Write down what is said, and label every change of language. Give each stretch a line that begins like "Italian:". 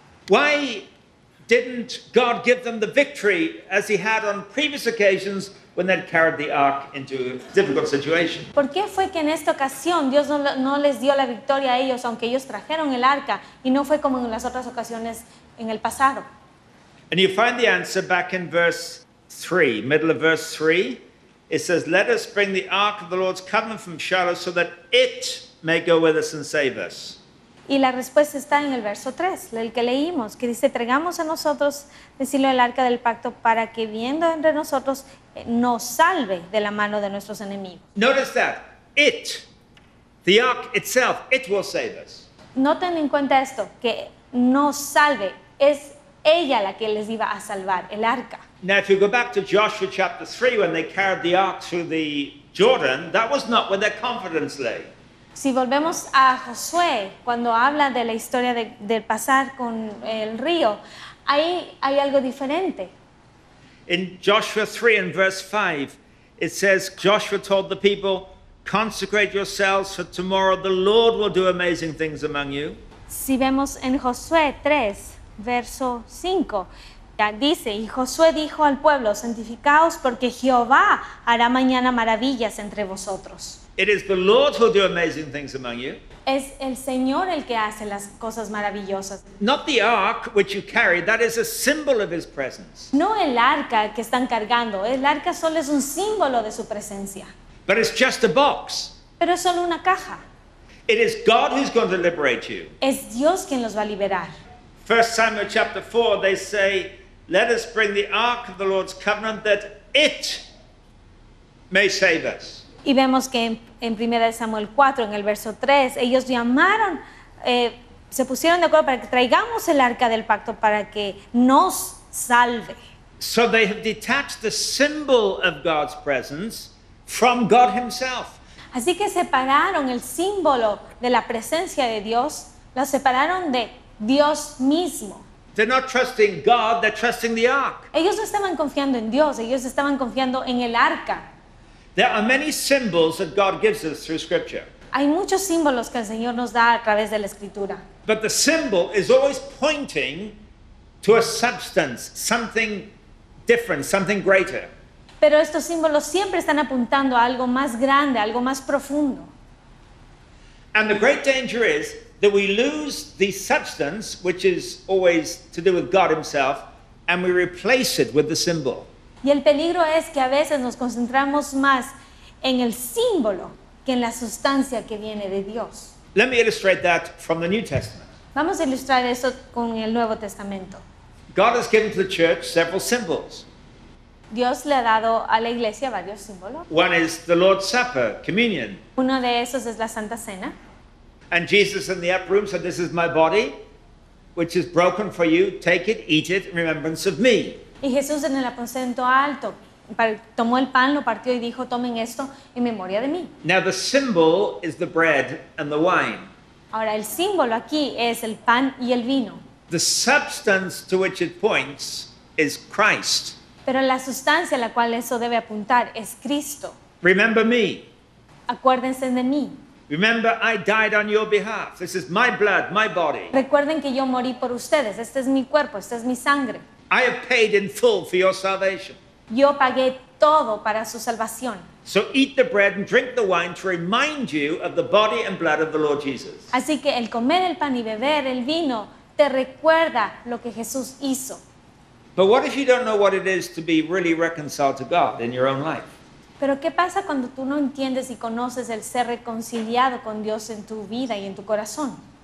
English: Why didn't God give them the victory as he had on previous occasions when they'd carried the ark into a difficult situation?
Spanish: ¿Por qué fue que en esta ocasión Dios no les dio la victoria a ellos aunque ellos trajeron el arca y no fue como en las otras ocasiones en el pasado?
English: And you find the answer back in verse 3, middle of verse 3. It says, let us bring the ark of the Lord's covenant from Shiloh so that it may go with us and save us.
Spanish: Y la respuesta está en el verso 3, el que leímos, que dice, traigamos a nosotros, decirlo, el arca del pacto para que viendo entre nosotros nos salve de la mano de nuestros enemigos.
English: Notice that. It, the ark itself, it will save us.
Spanish: Noten en cuenta esto, que nos salve, es ella la que les iba a salvar, el arca.
English: Now if you go back to Joshua chapter 3 when they carried the ark through the Jordan, that was not where their confidence lay.
Spanish: Si volvemos a Josué, cuando habla de la historia del pasar con el río, ahí hay algo diferente.
English: In Joshua 3 and verse 5, it says, Joshua told the people, consecrate yourselves for tomorrow the Lord will do amazing things among you.
Spanish: Si vemos en Josué 3, verso 5, dice, y Josué dijo al pueblo, santificaos porque Jehová hará mañana maravillas entre vosotros.
English: It is the Lord who will do amazing things among you.
Spanish: Es el Señor el que hace las cosas maravillosas.
English: Not the ark which you carry, that is a symbol of his presence.
Spanish: No el arca que están cargando, el arca solo es un símbolo de su presencia.
English: But it's just a box.
Spanish: Pero es solo una caja.
English: It is God who's going to liberate you.
Spanish: Es Dios quien los va a liberar.
English: 1 Samuel chapter 4, they say, let us bring the ark of the Lord's covenant that it may save us.
Spanish: Y vemos que en 1 Samuel 4, en el verso 3, ellos llamaron, se pusieron de acuerdo para que traigamos el arca del pacto para que nos salve.
English: So they have detached the symbol of God's presence from God himself.
Spanish: Así que separaron el símbolo de la presencia de Dios, lo separaron de Dios mismo.
English: They're not trusting God, they're trusting the ark.
Spanish: Ellos no estaban confiando en Dios, ellos estaban confiando en el arca.
English: There are many symbols that God gives us through Scripture.
Spanish: Hay muchos símbolos que el Señor nos da a través de la Escritura.
English: But the symbol is always pointing to a substance, something different, something greater.
Spanish: Pero estos símbolos siempre están apuntando a algo más grande, algo más profundo.
English: And the great danger is that we lose the substance, which is always to do with God himself, and we replace it with the symbol.
Spanish: Y el peligro es que a veces nos concentramos más en el símbolo que en la sustancia que viene de Dios.
English: Let me illustrate that from the New Testament.
Spanish: Vamos a ilustrar eso con el Nuevo Testamento.
English: God has given to the church several symbols.
Spanish: Dios le ha dado a la iglesia varios símbolos.
English: One is the Lord's Supper, communion.
Spanish: Uno de esos es la Santa Cena.
English: And Jesus in the upper room said, "This is my body, which is broken for you. Take it, eat it in remembrance of me."
Spanish: Y Jesús en el aposento alto tomó el pan, lo partió y dijo, "Tomen esto en memoria de mí."
English: Now the symbol is the bread and the wine.
Spanish: Ahora el símbolo aquí es el pan y el vino.
English: The substance to which it points is Christ.
Spanish: Pero la sustancia a la cual eso debe apuntar es Cristo.
English: Remember me.
Spanish: Acuérdense de mí.
English: Remember I died on your behalf. This is my blood, my body.
Spanish: Recuerden que yo morí por ustedes. Este es mi cuerpo, esta es mi sangre.
English: I have paid in full for your salvation.
Spanish: Yo pagué todo para su salvación.
English: So eat the bread and drink the wine to remind you of the body and blood of the Lord Jesus.
Spanish: Así que el comer el pan y beber el vino te recuerda lo que Jesús hizo.
English: But what if you don't know what it is to be really reconciled to God in your own life?
Spanish: Pero ¿qué pasa cuando tú no entiendes y conoces el ser reconciliado con Dios en tu vida y en tu corazón?